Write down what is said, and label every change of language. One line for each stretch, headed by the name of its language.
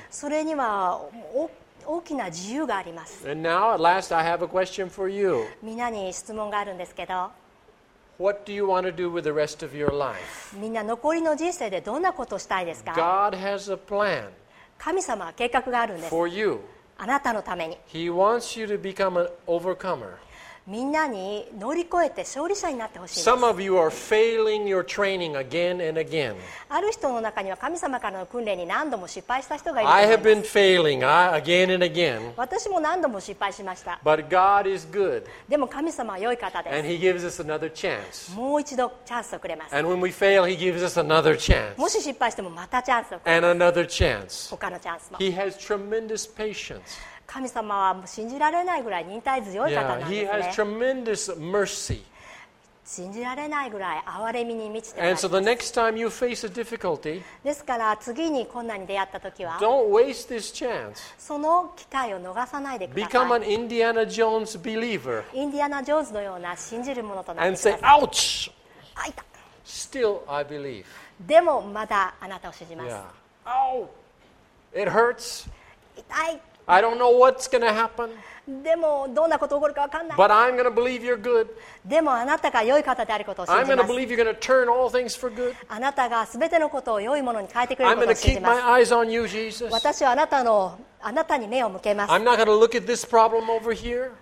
Japanese: それには大きな自由があります。
English: And now at last I have a question for you.
Japanese: みんなに質問があるんですけど。
English: What do you want to do with the rest of your life?
Japanese: みんな残りの人生でどんなことをしたいですか?
English: God has a plan.
Japanese: 神様は計画があるんです。
English: For you.
Japanese: あなたのために。
English: He wants you to become an overcomer.
Japanese: みんなに乗り越えて勝利者になってほしいです。
English: Some of you are failing your training again and again.
Japanese: ある人の中には神様からの訓練に何度も失敗した人がいる。
English: I have been failing again and again.
Japanese: 私も何度も失敗しました。
English: But God is good.
Japanese: でも神様は良い方です。
English: And He gives us another chance.
Japanese: もう一度チャンスをくれます。
English: And when we fail, He gives us another chance.
Japanese: もし失敗してもまたチャンスをくれます。
English: And another chance.
Japanese: 他のチャンスも。
English: He has tremendous patience.
Japanese: 神様はもう信じられないぐらい忍耐強い方なんですね。
English: Yeah, he has tremendous mercy.
Japanese: 信じられないぐらい憐れみに満ちてます。
English: And so the next time you face a difficulty,
Japanese: ですから次に困難に出会ったときは、
English: Don't waste this chance.
Japanese: その機会を逃さないでください。
English: Become an Indiana Jones believer.
Japanese: インディアナ・ジョーンズのような信じる者となってください。
English: And say, ouch!
Japanese: 開いた。
English: Still, I believe.
Japanese: でもまだあなたを信じます。
English: Yeah. Oh! It hurts.
Japanese: 痛い。
English: I don't know what's going to happen.
Japanese: でもどんなこと起こるか分かんない。
English: But I'm going to believe you're good.
Japanese: でもあなたが良い方であることを信じます。
English: I'm going to believe you're going to turn all things for good.
Japanese: あなたがすべてのことを良いものに変えてくれることを信じます。
English: I'm going to keep my eyes on you, Jesus.
Japanese: 私はあなたに目を向けます。
English: I'm not going to look at this problem over here.